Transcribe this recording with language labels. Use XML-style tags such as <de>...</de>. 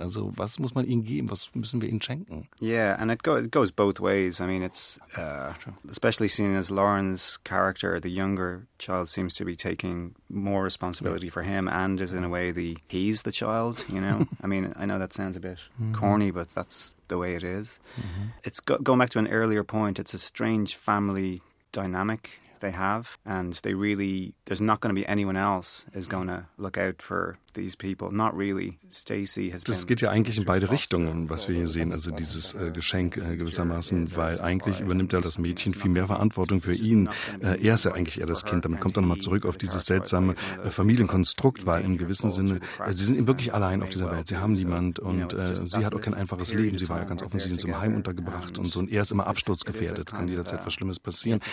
<de>Also, was muss man ihnen geben? Was müssen wir ihnen schenken?</de> <en>Yeah, and it goes both ways. I mean, it's especially seen as Lauren's character, the younger child, seems to be taking more responsibility for him, and is in a way he's the child, you know. I mean, I know that sounds a bit corny, but that's the way it is. Mm-hmm. It's going back to an earlier point. It's a strange family dynamic they have, and they really, there's not going to be anyone else is going to look out for these people, not really. Stacy has</en> <de>das</de> <en>been</en> <de>geht ja eigentlich in beide Richtungen, was wir hier sehen, also dieses Geschenk gewissermaßen, weil eigentlich übernimmt ja das Mädchen viel mehr Verantwortung für ihn. Er ist ja eigentlich eher das Kind, damit kommt er nochmal zurück auf dieses seltsame Familienkonstrukt, weil im gewissen Sinne, sie sind eben wirklich allein auf dieser Welt, sie haben niemand und sie hat auch kein einfaches Leben, sie war ja ganz offensichtlich in so einem Heim untergebracht und so, und er ist immer absturzgefährdet, kann jederzeit was Schlimmes passieren.</de>